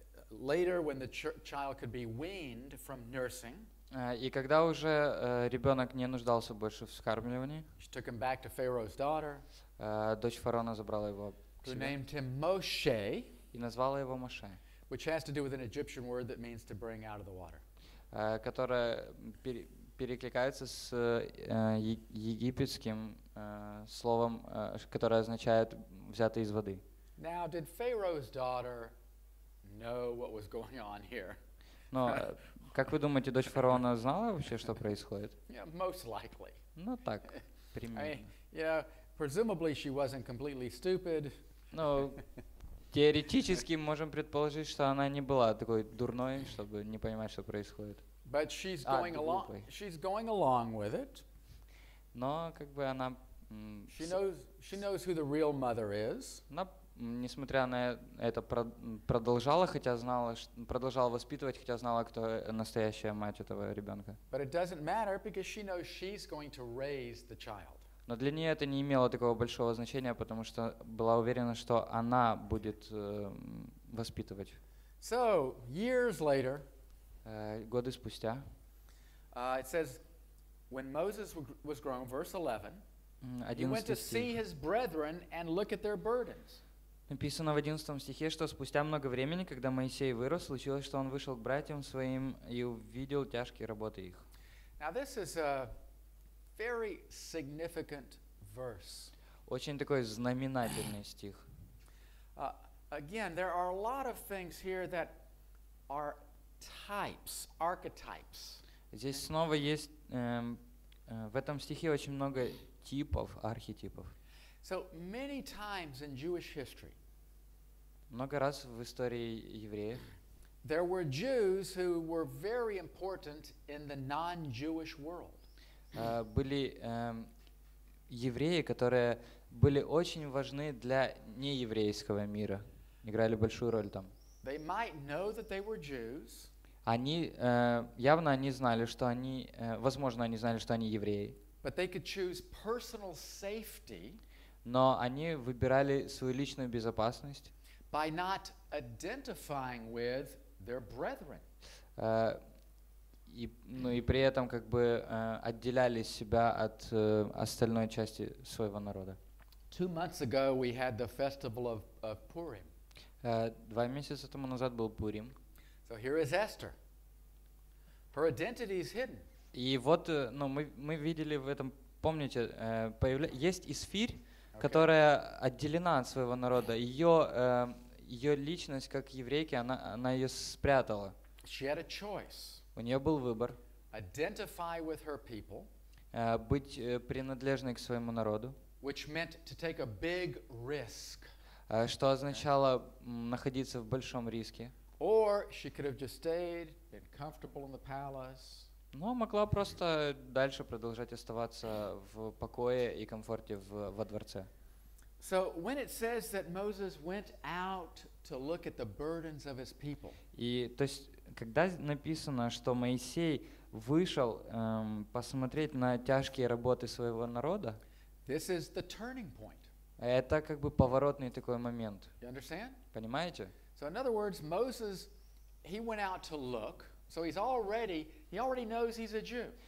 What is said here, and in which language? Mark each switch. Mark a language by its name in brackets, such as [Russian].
[English] Later, when the child could be weaned from nursing. [Russian] И когда уже ребенок не нуждался больше в вскармливании, [English] she took him back to Pharaoh's daughter, [Russian] дочь фараона забрала его к себе, [English] named him Moshe, [Russian] и назвала его Моше, [English] which has to do with an Egyptian word that means to bring out of the water, [Russian] которая перекликается с египетским словом, которое означает взятый из воды. [English] Now, did Pharaoh's daughter know what was going on here? [Russian] Но как вы думаете, дочь фараона знала вообще, что происходит? [English] Yeah, most likely. [Russian] Ну так, примерно. [English] I mean, yeah, presumably she wasn't completely stupid. [Russian] Ну, теоретически можем предположить, что она не была такой дурной, чтобы не понимать, что происходит. [English] But she's going along. She's going along with it. [Russian] Но как бы она. [English] She knows who the real mother is. [Russian] Несмотря на это, продолжала, хотя знала, продолжала воспитывать, хотя знала, кто настоящая мать этого ребенка. [English] But it doesn't matter because she knows she's going to raise the child. [Russian] Но для нее это не имело такого большого значения, потому что была уверена, что она будет воспитывать. [English] So, years later, [Russian] годы спустя, [English] it says, when Moses was grown, verse 11, he went to see his brethren and look at their burdens. [Russian] Написано в 11 стихе, что спустя много времени, когда Моисей вырос, случилось, что он вышел к братьям своим и увидел тяжкие работы их. [English] Now this is a very significant verse. [Russian] Очень такой знаменательный стих. [English] Again, there are a lot of things here that are types, archetypes. [Russian] Здесь снова есть в этом стихе очень много типов, архетипов. [English] So many times in Jewish history. [Russian] Много раз в истории евреев. [English] There were Jews who were very important in the non-Jewish world. [Russian] Были евреи, которые были очень важны для нееврейского мира, играли большую роль там. [English] They might know that they were Jews. [Russian] Они явно они знали, что они, возможно, они знали, что они евреи. [English] But they could choose personal safety. [Russian] Но они выбирали свою личную безопасность. [English] By not identifying with their brethren. [Russian] И при этом как бы отделяли себя от остальной части своего народа. [English] 2 months ago we had the festival of Purim. [Russian] Два месяца тому назад был Пурим. [English] So here is Esther. Her identity is hidden. [Russian] И вот, ну, мы видели в этом, помните, есть Эсфирь, okay, которая отделена от своего народа. Ее личность как еврейки, она ее спрятала. [English] She had a choice. [Russian] У нее был выбор. [English] Identify with her people. [Russian] Быть принадлежной к своему народу. [English] Which meant to take a big risk. [Russian] Что означало находиться в большом риске. [English] Or she could have just stayed and comfortable in the palace. [Russian] Но могла просто дальше продолжать оставаться в покое и комфорте во дворце. [English] So when it says that Moses went out to look at the burdens of his people. [Russian] И то есть когда написано, что Моисей вышел посмотреть на тяжкие работы своего народа. [English] This is the turning point. [Russian] Это как бы поворотный такой момент. [English] You understand? [Russian] Понимаете? [English] So in other words, Moses, he went out to look. So he already knows he's a Jew.